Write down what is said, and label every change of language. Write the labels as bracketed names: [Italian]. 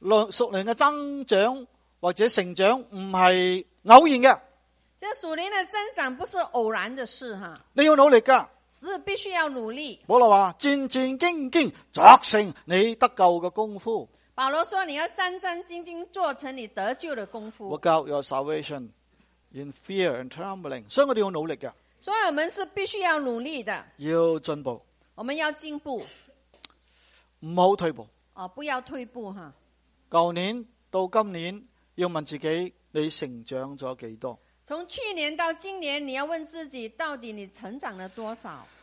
[Chinese] 属灵的增长或者成长不是偶然的。这属灵的增长不是偶然的事哈。你要努力的。是必须要努力。保罗说战战兢兢作成你得救的功夫。保罗说你要战战兢兢做成你得救的功夫。 [English] Work out your salvation in fear and trembling. [Chinese] 所以我们要努力的。所以我们是必须要努力的。要进步。我们要进步。不要退步。哦、不要退步哈。去年到今年要问自己你成长了几多。从去年到今年你要问自己到底你成长了多少。